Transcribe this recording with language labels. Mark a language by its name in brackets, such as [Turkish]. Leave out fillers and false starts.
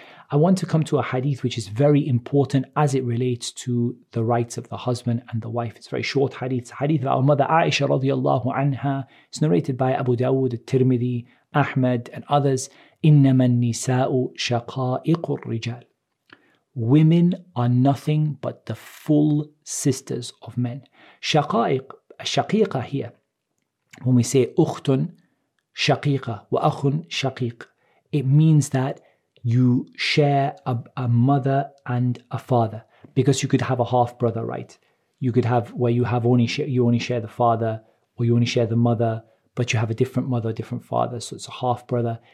[English] I want to come to a hadith which is very important as it relates to the rights of the husband and the wife. It's a very short hadith. It's a hadith of our mother Aisha radiallahu anha. It's narrated by Abu Dawood, Tirmidhi, Ahmed and others. [Arabic] إِنَّمَا النِّسَاءُ شَقَائِقُ الرِّجَالِ. [English] Women are nothing but the full sisters of men. [Arabic] شَقَائِق, الشَّقِيقَ [English] here. When we say [Arabic] أُخْتٌ شَقِيقَ وَأَخٌ شَقِيقَ, [English] it means that you share a mother and a father, because you could have a half-brother, right? You could have where you only share the father, or you only share the mother, but you have a different mother, a different father, so it's a half-brother.